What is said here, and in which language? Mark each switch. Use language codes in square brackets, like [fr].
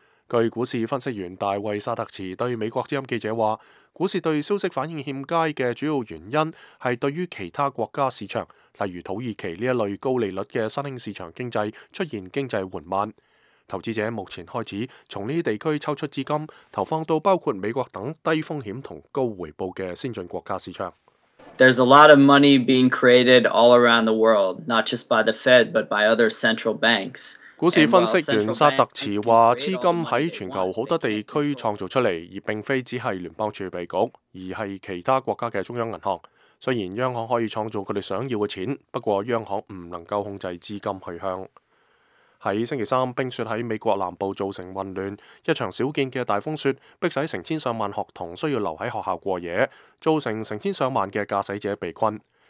[zh] 据股市分析员大卫·沙特茨对美国之音记者说，股市对消息反应欠佳的主要原因是对于其他国家市场，例如土耳其这一类高利率的新兴市场经济出现经济缓慢。投资者目前开始从这些地区抽出资金，投放到包括美国等低风险和高回报的先进国家市场。 [en] There's a lot of money being created all around the world, not just by the Fed, but by other central banks. [zh] 股市分析员萨特茨说，资金在全球很多地区创造出来，而并非只是联邦储备局，而是其他国家的中央银行。虽然央行可以创造他们想要的钱，不过央行不能够控制资金去向。在星期三，冰雪在美国南部造成混乱，一场少见的大风雪迫使成千上万学童需要留在学校过夜，造成成千上万的驾驶者被困。